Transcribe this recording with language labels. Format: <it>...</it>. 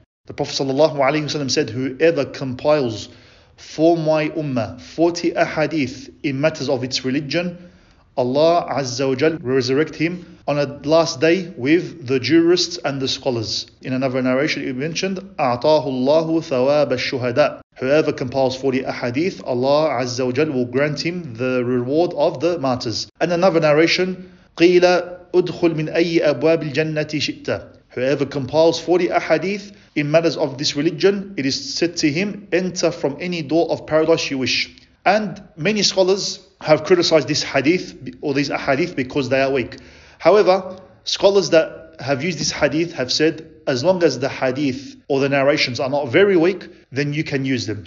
<en>The Prophet sallallahu alayhi wa sallam said, whoever compiles for my ummah 40 ahadith in matters of its religion, Allah azza wa jal resurrect him on a last day with the jurists and the scholars. In another narration it mentioned,</en> <ar>أعطاه الله ثواب الشهداء.</ar> <en>Whoever compiles 40 ahadith, Allah Azza wa Jal will grant him the reward of the martyrs. And another narration,</en> <ar>قِيلَ أُدْخُلْ مِنْ أَيِّ أَبْوَابِ الْجَنَّةِ شِئْتَ.</ar> <en>Whoever compiles 40 ahadith in matters of this religion, it is said to him, enter from any door of paradise you wish. And many scholars have criticized this hadith or these ahadith because they are weak. However, scholars that have used this hadith have said, as long as the hadith or the narrations are not very weak, then you can use them.</en>